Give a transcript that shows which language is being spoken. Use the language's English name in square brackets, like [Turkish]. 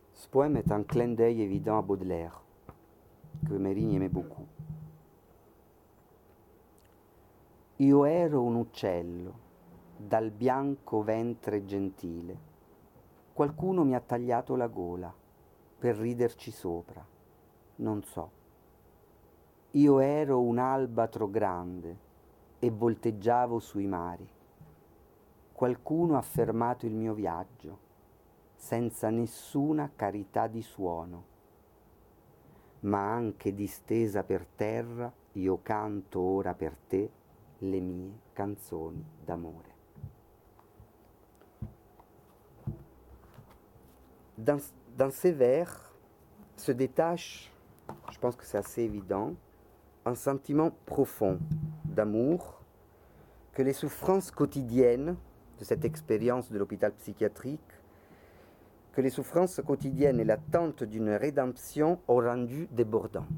[French] poème est un clin d'œil évident à Baudelaire, que Mérigne aimait beaucoup. [Italian] Io ero un uccello dal bianco ventre gentile. Qualcuno mi ha tagliato la gola per riderci sopra, non so. Io ero un albatro grande e volteggiavo sui mari. Qualcuno ha fermato il mio viaggio senza nessuna carità di suono. Ma anche distesa per terra, io canto ora per te le mie canzoni d'amore. [French] Dans ces vers se détache, je pense que c'est assez évident, un sentiment profond d'amour que les souffrances quotidiennes de cette expérience de l'hôpital psychiatrique, que les souffrances quotidiennes et l'attente d'une rédemption ont rendu débordant.